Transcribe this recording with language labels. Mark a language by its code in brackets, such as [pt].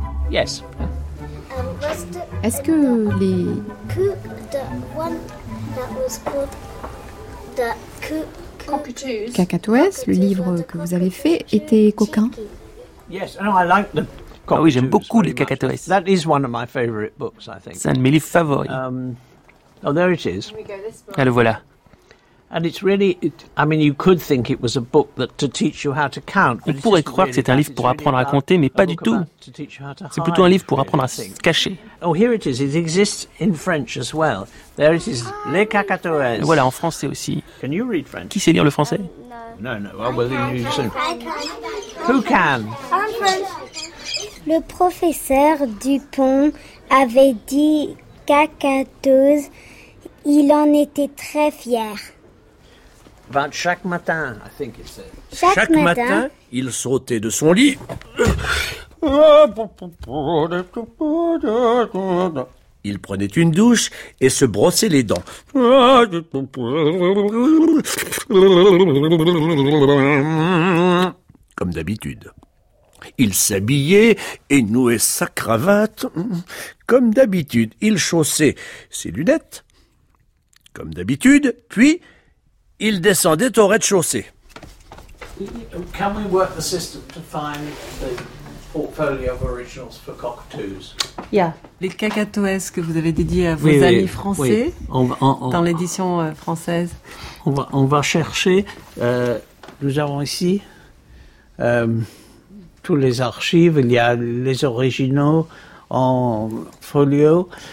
[en] Yes. [fr] Est-ce que les cacatoès, le livre que vous avez fait, était coquin? [en] Yes, no, I like them. [fr] Ah oui, j'aime beaucoup les cacatoès. [en] That is one of my favorite books, I think. [fr] C'est un de mes livres favoris. [en] Oh, there it is. [fr] Ah, le voilà. [en] And it's really, I mean, you could think it was a book that to teach you how to count. [fr] On pourrait croire que c'est un livre pour apprendre à compter, mais pas du tout. C'est plutôt un livre pour apprendre à se cacher. [en] Oh, here it is. It exists in French as well. There it is, Les Cacatoès. [fr] Voilà, en français aussi. [en] Can you read French? [fr] Qui sait lire le français? [en] No. Well, we'll read soon. Who can? [fr] Le professeur Dupont avait dit cacatoès. Il en était très fier. [en] About [fr] chaque matin, [en] I think it said. [fr] Chaque matin, il sautait de son lit. Il prenait une douche et se brossait les dents. Comme d'habitude. Il s'habillait et nouait sa cravate. Comme d'habitude, il chaussait ses lunettes. comme d'habitude, puis il descendait au rez-de-chaussée. [en] Can we work the system to find the portfolio of originals for cockatoos? Yeah. [fr] Les cacatoès que vous avez dédiés à vos amis français, dans l'édition française. On va chercher, nous avons ici tous les archives, il y a les originaux en folio.